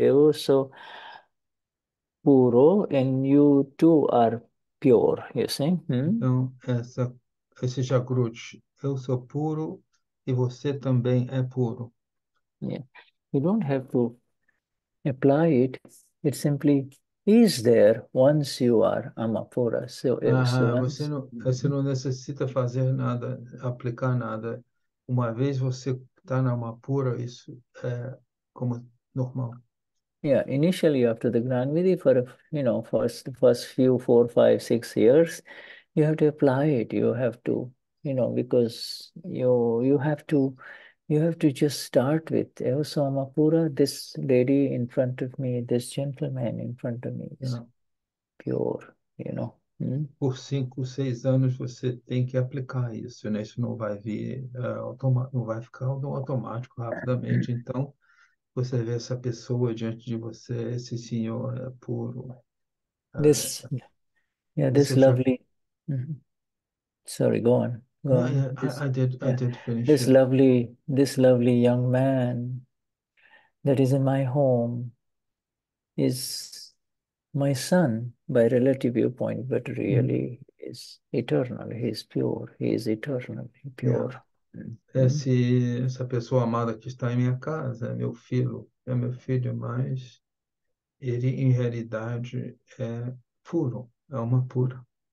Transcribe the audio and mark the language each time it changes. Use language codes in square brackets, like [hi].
[pt] Eu sou puro, [en] and you too are pure, you see? [pt] Então, esse Jagruti, eu sou puro e você também é puro. [en] You don't have to apply it. It simply is there once you are amapura. [pt] Você não necessita fazer nada, aplicar nada. Uma vez você está na amapura, isso é como normal. [en] Yeah, initially after the Gnan Vidhi, for the first few, 4, 5, 6 years, you have to apply it. You have to, you know, because you have to just start with [pt] eu sou [en] amapura, this lady in front of me, this gentleman in front of me is pure, you know. [pt] Por 5, 6 anos você tem que aplicar isso, né? Isso não vai ficar automático rapidamente. Então, você vê essa pessoa diante de você, esse senhor é puro. [en] This lovely. Sorry, go on. Go on. I did finish. This lovely young man that is in my home is my son by relative viewpoint, but really is eternal. He is pure. He is eternally pure. Yeah. [pt] Essa pessoa amada que está em minha casa é meu filho, mas ele em realidade é puro, é uma pura.